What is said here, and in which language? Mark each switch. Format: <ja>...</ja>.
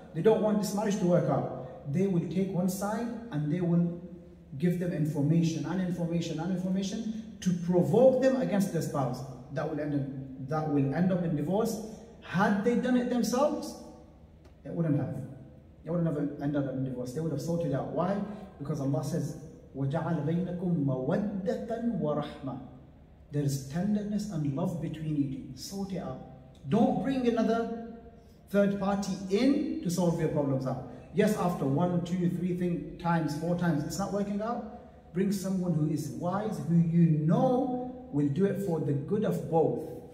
<en>They don't want this marriage to work out. They will take one side and they will give them information and information and information to provoke them against their spouse. That will end up in divorce. Had they done it themselves, they wouldn't have. They wouldn't have ended up in divorce. They would have sorted out. Why?</en> <ar>Because Allah says, وَجَعَلَ بَيْنَكُمْ مَوَدَّةً وَرَحْمَةً.</ar> <en>There is tenderness and love between you. Sort it out. Don't bring another third party in to solve your problems out. Yes, after one, two, three times, four times, it's not working out. Bring someone who is wise, who you know will do it for the good of both.</en>